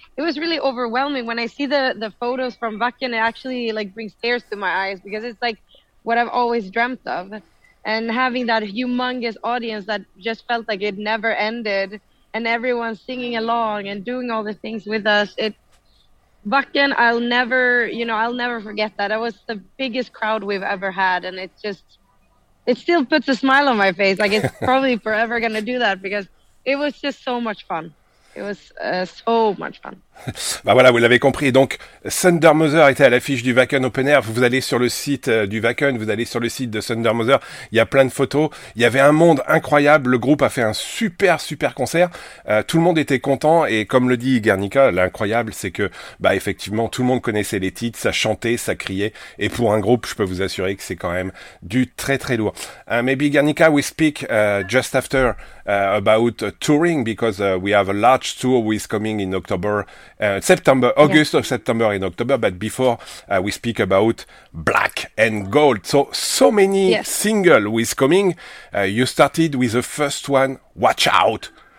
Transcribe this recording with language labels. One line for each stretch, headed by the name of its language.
English: It was really overwhelming when I see the photos from Wacken. It actually like brings tears to my eyes because it's like what I've always dreamt of, and having that humongous audience that just felt like it never ended, and everyone singing along and doing all the things with us. It Wacken, I'll never, you know, I'll never forget that. That was the biggest crowd we've ever had, and it still puts a smile on my face. Like it's probably forever gonna do that because it was just so much fun. It was so much fun.
French: Ben voilà, vous l'avez compris. Donc, Thunder Mother était à l'affiche du Wacken Open Air. Vous allez sur le site du Wacken, vous allez sur le site de Thunder Mother. Il y a plein de photos. Il y avait un monde incroyable. Le groupe a fait un super, super concert. Tout le monde était content. Et comme le dit Guernica, l'incroyable, c'est que, effectivement, tout le monde connaissait les titres. Ça chantait, ça criait. Et pour un groupe, je peux vous assurer que c'est quand même du très, très lourd.
English: Maybe Guernica, we speak just after about touring because we have a large tour who is coming in October. September, August of September and October, but before we speak about Black and Gold. So many single with coming. You started with the first one, Watch Out.